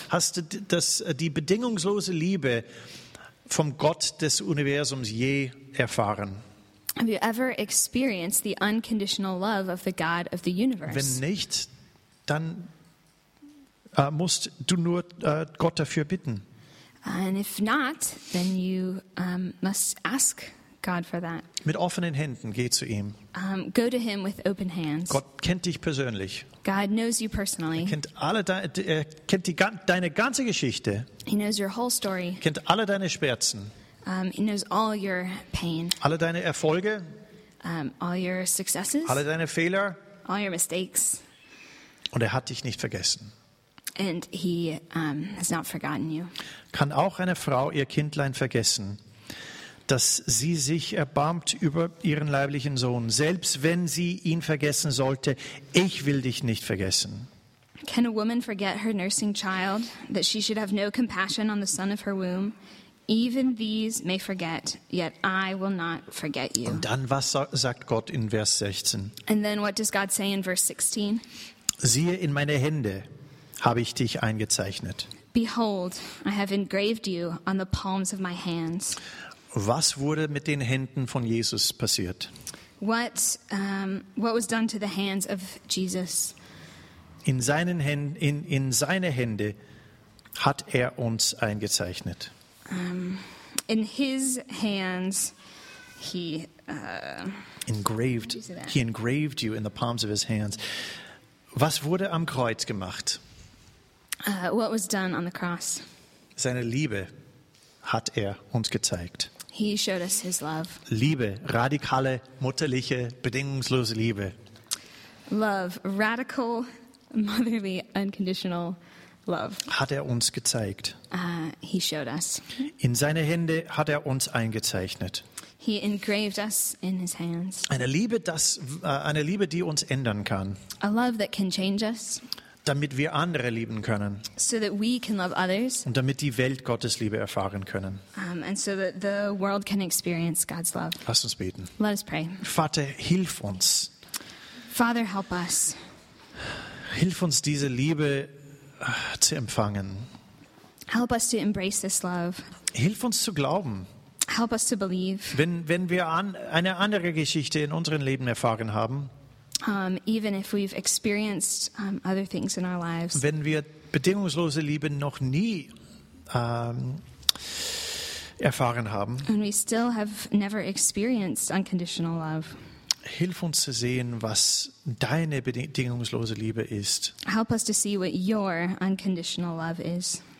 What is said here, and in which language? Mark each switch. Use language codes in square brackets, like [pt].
[de] Hast du die bedingungslose Liebe vom Gott des Universums je erfahren? [en] Have you ever experienced the unconditional love of the God of the universe? [de] Wenn nicht, dann musst du nur Gott dafür bitten. [en] And if not, then you must ask God for that. [de] Mit offenen Händen geh zu ihm. [en] Go to him with open hands. [de] Gott kennt dich persönlich. [en] God knows you personally. [de] Er kennt deine ganze Geschichte. [en] He knows your whole story. [de] Er kennt alle deine Schmerzen. [en] He knows all your pain. [de] Alle deine Erfolge. [en] All your successes. [de] Alle deine Fehler. [en] All your mistakes. [de] Und er hat dich nicht vergessen. [en] And he has not forgotten you. [de] Kann auch eine Frau ihr Kindlein vergessen, dass sie sich erbarmt über ihren leiblichen Sohn, selbst wenn sie ihn vergessen sollte. Ich will dich nicht vergessen. [en] Can a woman forget her nursing child, that she should have no compassion on the son of her womb? Even these may forget, yet I will not forget you. [de] Und dann, was sagt Gott in Vers 16? [en] And then what does God say in verse 16? [de] Siehe, in meine Hände habe ich dich eingezeichnet. [en] Behold, I have engraved you on the palms of my hands. [de] Was wurde mit den Händen von Jesus passiert? [en] What was done to the hands of Jesus? [de] In seine Hände hat er uns eingezeichnet. [en] In his hands he engraved you in the palms of his hands. [de] Was wurde am Kreuz gemacht? [en] What was done on the cross? [de] Seine Liebe hat er uns gezeigt. [en] He showed us his love. [de] Liebe, radikale, mutterliche, bedingungslose Liebe. [en] Love, radical, motherly, unconditional love. [de] Hat er uns gezeigt. [en] He showed us. [de] In seine Hände hat er uns eingezeichnet. [en] He engraved us in his hands. [de] Eine Liebe, die uns ändern kann. [en] A love that can change us. [de] Damit wir andere lieben können. [en] So that we can love others. [de] Und damit die Welt Gottes Liebe erfahren können. [en] And so that the world can experience God's love. [de] Lass uns beten. [en] Let us pray. [de] Vater, hilf uns. [en] Father, help us. [de] Hilf uns, diese Liebe zu empfangen. [en] Help us to embrace this love. [de] Hilf uns zu glauben. [en] Help us to believe. [de] Wenn wir eine andere Geschichte in unserem Leben erfahren haben, [en] even if we've experienced other things in our lives, [de] wenn wir bedingungslose Liebe noch nie erfahren haben, [en] and we still have never experienced unconditional love, [de] hilf uns zu sehen, was deine bedingungslose Liebe ist. [en] Help us to see what your unconditional love is.